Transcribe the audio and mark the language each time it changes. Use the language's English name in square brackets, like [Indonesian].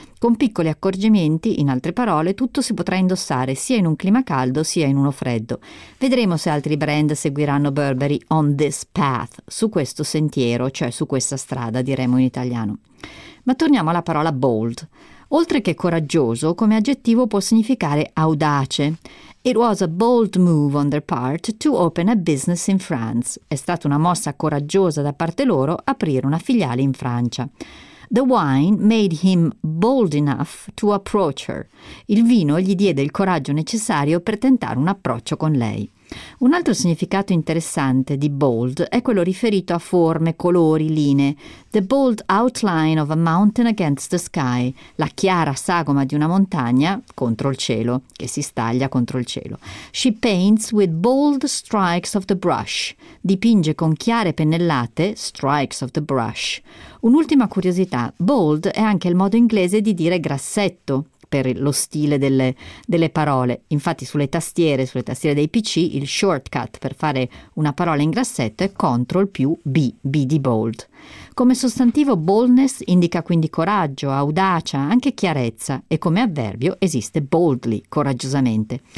[Italian] Con piccoli accorgimenti, in altre parole, tutto si potrà indossare sia in un clima caldo sia in uno freddo. Vedremo se altri brand seguiranno Burberry [English] on this path, [Italian] su questo sentiero, cioè su questa strada, diremo in italiano. Ma torniamo alla parola bold. Oltre che coraggioso, come aggettivo può significare audace. [English] It was a bold move on their part to open a business in France. [Italian] È stata una mossa coraggiosa da parte loro aprire una filiale in Francia. [English] The wine made him bold enough to approach her. [Italian] Il vino gli diede il coraggio necessario per tentare un approccio con lei. Un altro significato interessante di bold è quello riferito a forme, colori, linee. [English] The bold outline of a mountain against the sky, [Italian] la chiara sagoma di una montagna contro il cielo, che si staglia contro il cielo. [English] She paints with bold strikes of the brush, [Italian] dipinge con chiare pennellate, [English] strikes of the brush. [Italian] Un'ultima curiosità, bold è anche il modo inglese di dire grassetto, per lo stile delle parole. Infatti sulle tastiere dei PC il shortcut per fare una parola in grassetto è Ctrl più B, B di bold. Come sostantivo boldness indica quindi coraggio, audacia, anche chiarezza, e come avverbio esiste boldly, coraggiosamente.